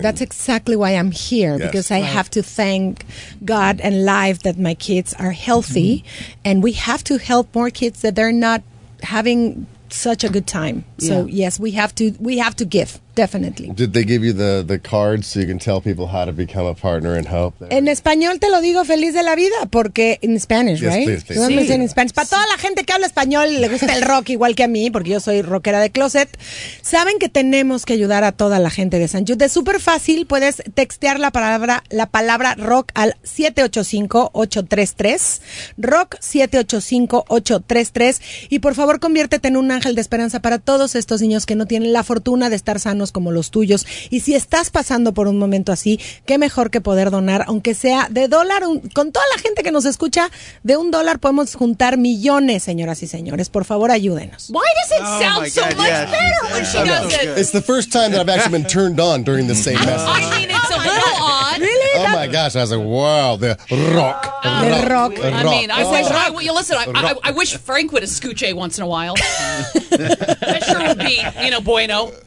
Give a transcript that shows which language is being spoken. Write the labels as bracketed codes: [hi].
[en] That's exactly why I'm here, because I have to thank God and life that my kids are healthy, mm-hmm. and we have to help more kids that they're not having such a good time. Yeah. So yes, we have to give, definitely. Did they give you the card so you can tell people how to become a partner and help? [es] En español te lo digo feliz de la vida, porque [en] in Spanish, yes, right? Yes, please, please. [es] Sí. [en] In Spanish. [es] Para toda la gente que habla español le gusta el rock igual que a mí, porque yo soy rockera de closet. Saben que tenemos que ayudar a toda la gente de San Jude. Es súper fácil, puedes textear la palabra rock al 785-833. Rock 785-833. Y por favor, conviértete en un ángel de esperanza para todos estos niños que no tienen la fortuna de estar sanos como los tuyos. Y si estás pasando por un momento así, qué mejor que poder donar, aunque sea de dólar, con toda la gente que nos escucha, de un dólar podemos juntar millones, señoras y señores. Por favor, ayúdenos. [en] Why does it sound so much better when she does it? It's the first time that I've actually been turned on during the same message. I mean, it's a little odd. Really? Oh my gosh, I was like, wow, the rock. Rock. I wish Frank would have scooch once in a while. That sure would be, you know, bueno.